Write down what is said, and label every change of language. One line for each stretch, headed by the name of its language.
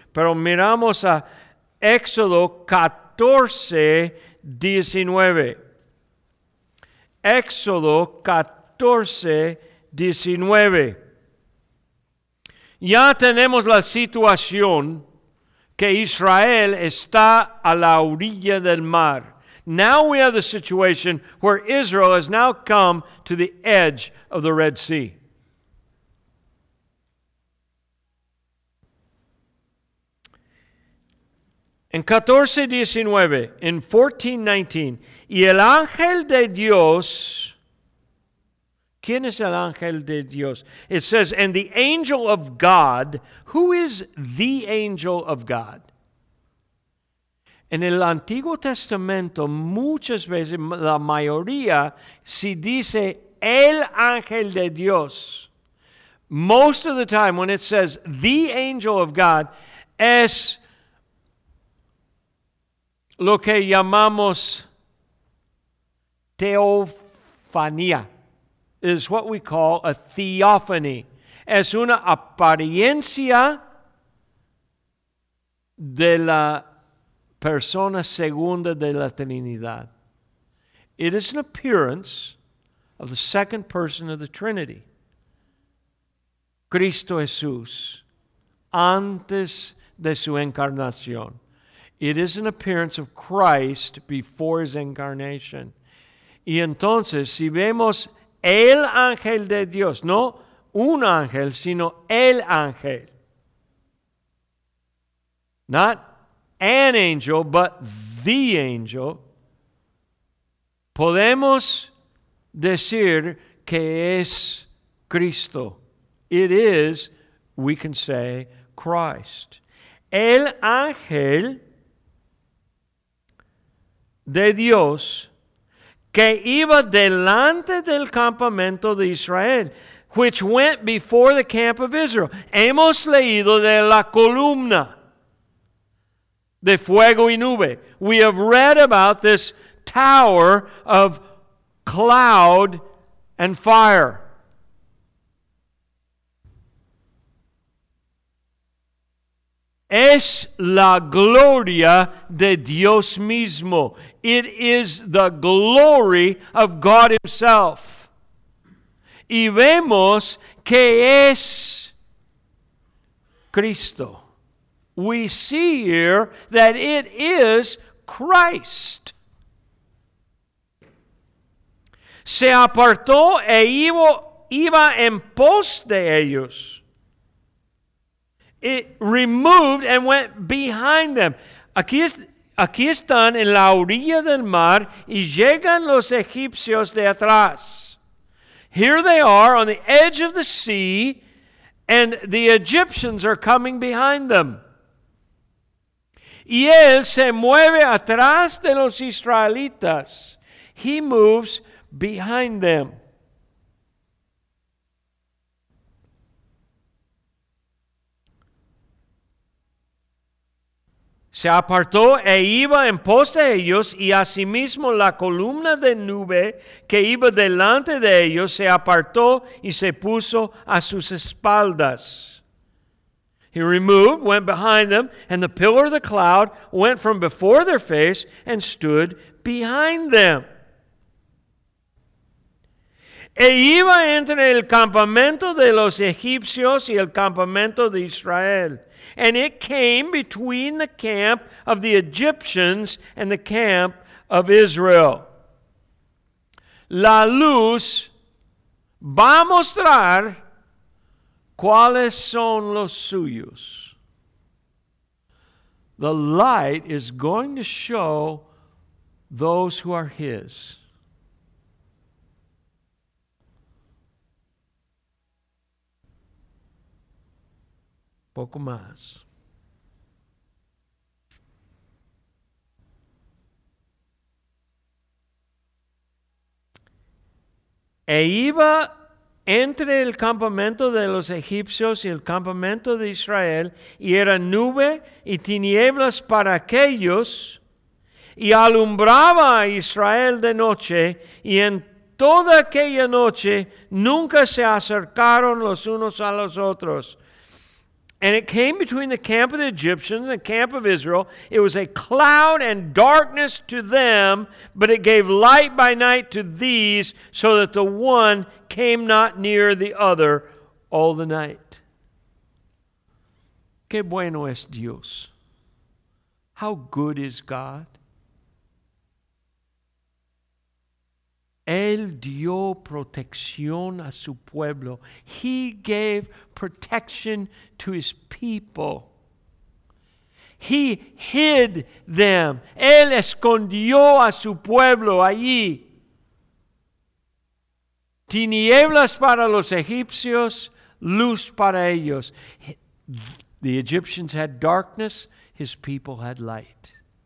Spanish: Pero miramos a Éxodo 14, 19. Éxodo 14, 19. Ya tenemos la situación que Israel está a la orilla del mar.
English: Now we have the situation where Israel has now come to the edge of the Red Sea.
Spanish: En 14:19, en 14:19, y el ángel de Dios, ¿quién es el ángel de Dios?
English: It says, and the angel of God, who is the angel of God?
Spanish: En el Antiguo Testamento, muchas veces, la mayoría, si dice el ángel de Dios,
English: most of the time when it says the angel of God,
Spanish: es lo que llamamos teofanía,
English: is what we call a theophany.
Spanish: Es una apariencia de la persona segunda de la Trinidad.
English: It is an appearance of the second person of the Trinity.
Spanish: Cristo Jesús, antes de su encarnación.
English: It is an appearance of Christ before his incarnation.
Spanish: Y entonces, si vemos el ángel de Dios, no un ángel, sino el ángel.
English: Not an angel, but the angel.
Spanish: Podemos decir que es Cristo.
English: It is, we can say, Christ.
Spanish: El ángel de Dios que iba delante del campamento de Israel,
English: which went before the camp of Israel.
Spanish: Hemos leído de la columna de fuego y nube.
English: We have read about this tower of cloud and fire.
Spanish: Es la gloria de Dios mismo.
English: It is the glory of God Himself.
Spanish: Y vemos que es Cristo.
English: We see here that it is Christ.
Spanish: Se apartó e iba en pos de ellos.
English: It removed and went behind them.
Spanish: Aquí están en la orilla del mar y llegan los egipcios de atrás.
English: Here they are on the edge of the sea and the Egyptians are coming behind them.
Spanish: Y él se mueve atrás de los israelitas.
English: He moves behind them.
Spanish: Se apartó e iba en pos de ellos, y asimismo la columna de nube que iba delante de ellos se apartó y se puso a sus espaldas.
English: He removed, went behind them, and the pillar of the cloud went from before their face and stood behind them.
Spanish: E iba entre el campamento de los egipcios y el campamento de Israel.
English: And it came between the camp of the Egyptians and the camp of Israel.
Spanish: La luz va a mostrar cuáles son los suyos.
English: The light is going to show those who are His.
Spanish: Poco más. E iba entre el campamento de los egipcios y el campamento de Israel, y era nube y tinieblas para aquellos, y alumbraba a Israel de noche, y en toda aquella noche nunca se acercaron los unos a los otros.
English: And it came between the camp of the Egyptians and the camp of Israel. It was a cloud and darkness to them, but it gave light by night to these, so that the one came not near the other all the night.
Spanish: Qué bueno es Dios.
English: How good is God?
Spanish: Él dio protección a su pueblo.
English: He gave protection to His people. He hid them.
Spanish: Él escondió a su pueblo allí. Tinieblas para los egipcios, luz para ellos.
English: The Egyptians had darkness, His people had light.